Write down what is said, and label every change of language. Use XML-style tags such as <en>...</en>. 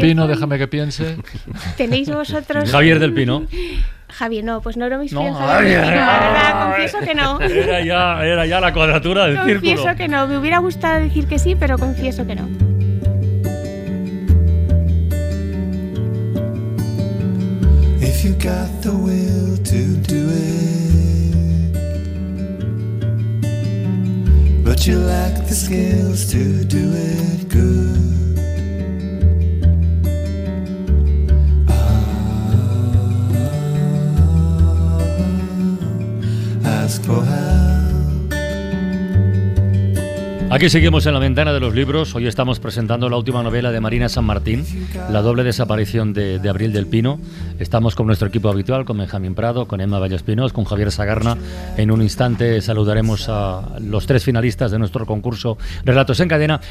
<es>Pino, déjame que piense. ¿Tenéis vosotros? Javier del Pino. Javier, no, pues no me inspiré en Javier del Pino, ¿verdad? Confieso que no. Era ya la cuadratura del confieso círculo. Confieso que no. Me hubiera gustado decir que sí, pero confieso que no.</es> <en>If you got the will to do it, but you lack the skills to do it good, oh, ask for help.</en> <es>Aquí seguimos en la ventana de los libros. Hoy estamos presentando la última novela de Marina San Martín, La doble desaparición de Abril del Pino. Estamos con nuestro equipo habitual, con Benjamín Prado, con Emma Vallespinos, con Javier Sagarna. En un instante saludaremos a los tres finalistas de nuestro concurso Relatos en Cadena.</es>